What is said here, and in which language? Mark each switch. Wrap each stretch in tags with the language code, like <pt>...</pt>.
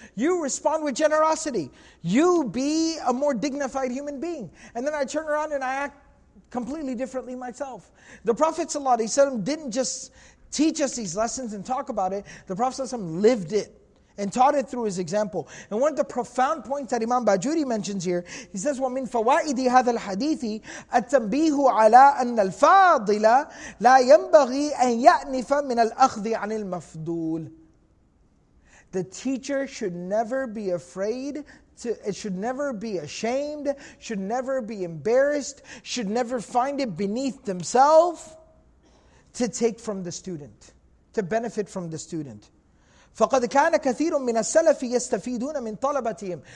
<en>You respond with generosity. You be a more dignified human being. And then I turn around and I act completely differently myself. The Prophet ﷺ didn't just teach us these lessons and talk about it. The Prophet ﷺ lived it. and taught it through his example. And one of the profound points that Imam Bajuri mentions here, he says,</en> <ar>وَمِنْ فَوَائِدِ هَذَا الْحَدِيثِ أَتَّنْبِيهُ عَلَىٰ أَنَّ الْفَاضِلَ لَا يَنْبَغِي أَنْ يَأْنِفَ مِنَ الْأَخْذِ عَنِ الْمَفْضُولِ.</ar> <en>The teacher should never be afraid to, it should never be ashamed, should never be embarrassed, should never find it beneath themselves to take from the student, to benefit from the student.</en> <ar>فَقَدْ كَانَ كَثِيرٌ مِّنَ السَّلَفِ يَسْتَفِيدُونَ مِنْ طَلَبَتِهِمْ.</ar>